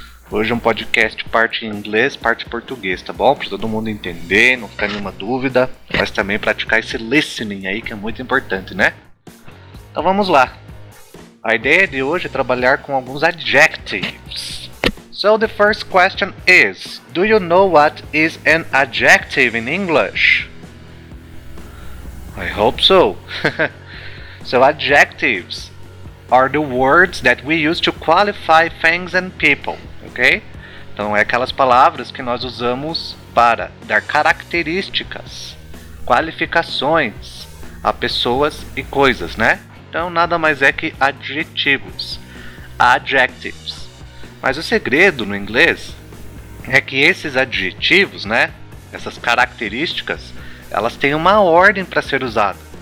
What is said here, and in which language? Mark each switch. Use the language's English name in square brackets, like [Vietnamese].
[Portuguese] Hoje é um podcast parte em inglês, parte em português, tá bom? Para todo mundo entender, não ficar nenhuma dúvida, mas também praticar esse listening aí que é muito importante, né? Então vamos lá. A ideia de hoje é trabalhar com alguns adjectives. [English] So the first question is, do you know what is an adjective in English? I hope so. So adjectives are the words that we use to qualify things and people, okay? [Portuguese] Então é aquelas palavras que nós usamos para dar características, qualificações a pessoas e coisas, né? Então nada mais é que adjetivos, adjectives. Mas o segredo no inglês é que esses adjetivos, né, essas características, elas têm uma ordem para ser usada.